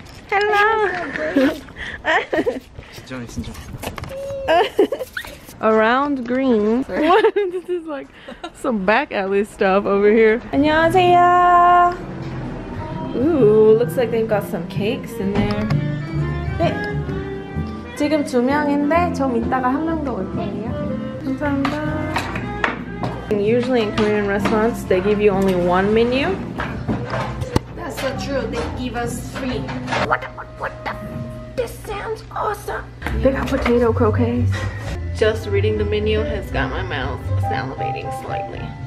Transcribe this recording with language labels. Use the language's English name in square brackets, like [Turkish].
[English] Hello. Around Green. This is like some back alley stuff over here. [Korean] 안녕하세요. [English] Ooh, looks like they've got some cakes in there. [Korean] 네. 지금 두 명인데 좀 이따가 한 명 더 올 거예요. 감사합니다. [English] And usually in Korean restaurants, they give you only one menu. That's not true. They give us three. What the? This sounds awesome. They got potato croquettes. Just reading the menu has got my mouth salivating slightly.